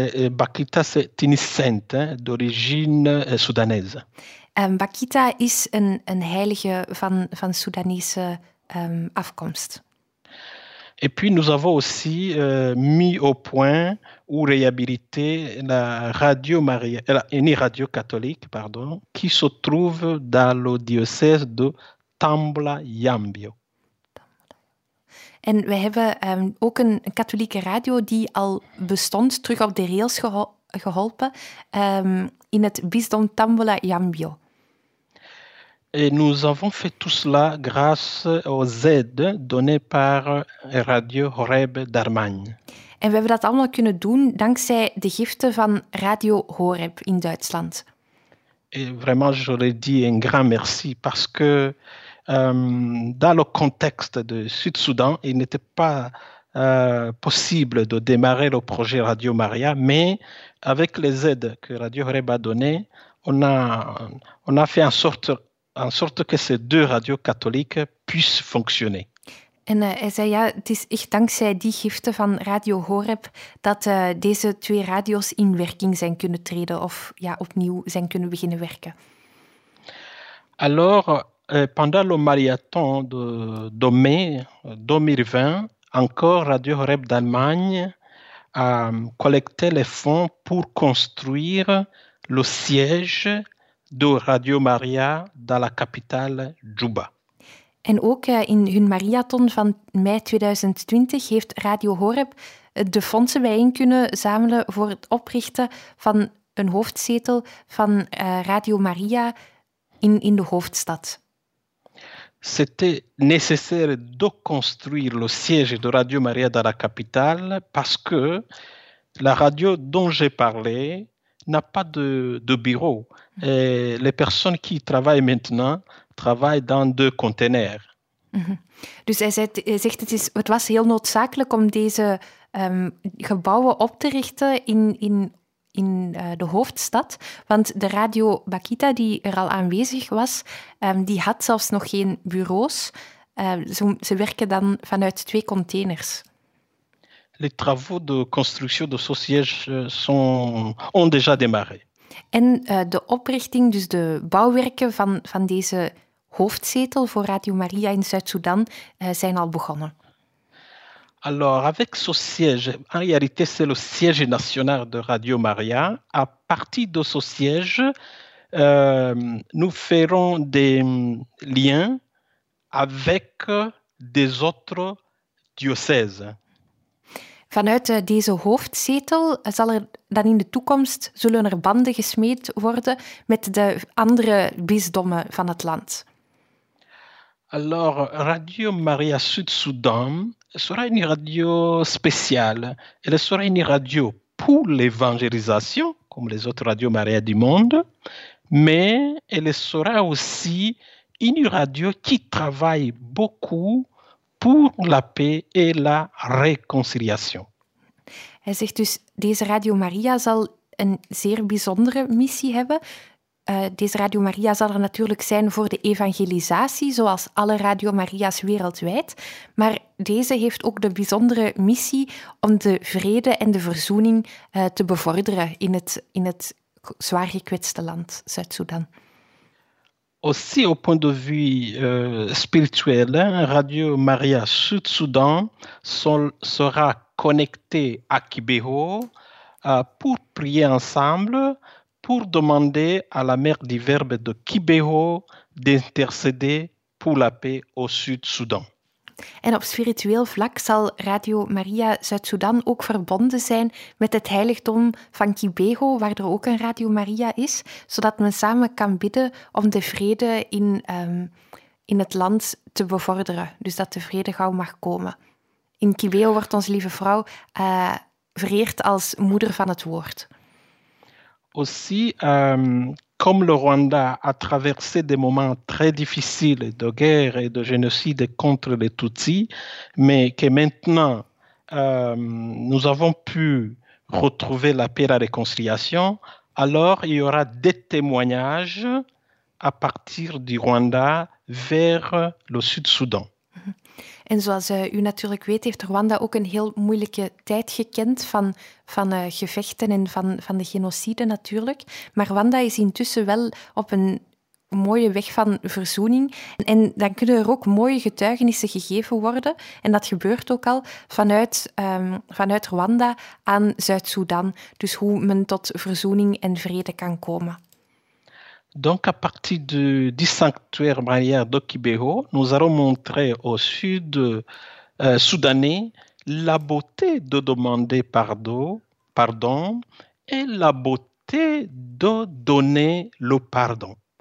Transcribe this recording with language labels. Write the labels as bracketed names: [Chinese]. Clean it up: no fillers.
[French] Bakita c'est Tinissent, hein, d'origine soudanaise. [Dutch] Bakita is een heilige van Soedanese afkomst. [French] Et puis nous avons aussi mis au point ou réhabilité la Radio Maria, une radio catholique, pardon, qui se trouve dans le diocèse de Tambla-Yambio. [Dutch] En we hebben ook een katholieke radio die al bestond, terug op de rails geholpen, in het bisdom Tambla-Yambio. [French] Et nous avons fait tout cela grâce aux aides données par Radio Horeb d'Allemagne. [Dutch] En we hebben dat allemaal kunnen doen dankzij de giften van Radio Horeb in Duitsland. [French] Et vraiment, je le dis un grand merci parce que dans le contexte de Sud-Soudan, il n'était pas possible de démarrer le projet Radio Maria, mais avec les aides que Radio Horeb a données, on a fait en sorte que ces deux radios catholiques puissent fonctionner. [Dutch] En hij zei, ja, het is echt dankzij die giften van Radio Horeb dat deze twee radios in werking zijn kunnen treden of ja, opnieuw zijn kunnen beginnen werken. [French] Alors, pendant le marathon de mai 2020, encore Radio Horeb d'Allemagne a collecté les fonds pour construire le siège de Radio Maria dans la capitale Djouba. [Dutch] En ook in hun marathon van mei 2020 heeft Radio Horeb de fondsen bijeen kunnen zamelen voor het oprichten van een hoofdzetel van Radio Maria in de hoofdstad. [French] C'était nécessaire de construire le siège de Radio Maria dans la capitale parce que la radio dont j'ai parlé n'a pas de bureau. Et les personnes qui travaillent maintenant travaillent dans deux containers. [Dutch] Dus hij zegt het was heel noodzakelijk om deze gebouwen op te richten in de hoofdstad, want de Radio Bakita, die er al aanwezig was, die had zelfs nog geen bureaus. Ze werken dan vanuit twee containers. [French] Les travaux de construction de ce siège ont déjà démarré. [Dutch] En de oprichting, dus de bouwwerken van deze hoofdzetel voor Radio Maria in Zuid-Soedan, zijn al begonnen. [French] Alors, avec ce siège, en réalité, c'est le siège national de Radio Maria. À partir de ce siège, nous ferons des liens avec des autres diocèses. [Dutch] Vanuit deze hoofdzetel zal er dan in de toekomst zullen er banden gesmeed worden met de andere bisdommen van het land. [French] Alors, Radio Maria Sud-Soudan sera une radio spéciale. Elle sera une radio pour l'évangélisation, comme les autres radios Maria du monde, mais elle sera aussi une radio qui travaille beaucoup pour la paix et la réconciliation. [Dutch] Hij zegt dus, deze Radio Maria zal een zeer bijzondere missie hebben. Deze Radio Maria zal er natuurlijk zijn voor de evangelisatie, zoals alle Radio Maria's wereldwijd. Maar deze heeft ook de bijzondere missie om de vrede en de verzoening te bevorderen in het zwaar gekwetste land Zuid-Soedan. [French] Aussi au point de vue spirituel, Radio Maria Sud-Soudan sera connectée à Kibeho pour prier ensemble, pour demander à la mère du Verbe de Kibeho d'intercéder pour la paix au Sud-Soudan. [Dutch] En op spiritueel vlak zal Radio Maria Zuid-Soedan ook verbonden zijn met het heiligdom van Kibeho, waar er ook een Radio Maria is, zodat men samen kan bidden om de vrede in het land te bevorderen. Dus dat de vrede gauw mag komen. In Kibeho wordt Onze Lieve Vrouw vereerd als moeder van het woord. [French] Aussi, comme le Rwanda a traversé des moments très difficiles de guerre et de génocide contre les Tutsis, mais que maintenant nous avons pu retrouver la paix et la réconciliation, alors il y aura des témoignages à partir du Rwanda vers le Sud-Soudan. [Dutch] En zoals u natuurlijk weet, heeft Rwanda ook een heel moeilijke tijd gekend van gevechten en van de genocide natuurlijk. Maar Rwanda is intussen wel op een mooie weg van verzoening. En dan kunnen er ook mooie getuigenissen gegeven worden, en dat gebeurt ook al, vanuit Rwanda aan Zuid-Soedan. Dus hoe men tot verzoening en vrede kan komen. [French] Donc, à partir du sanctuaire Maria de Kibeho, nous allons montrer aux Sud-Soudanais la beauté de demander pardon et la beauté de donner le pardon.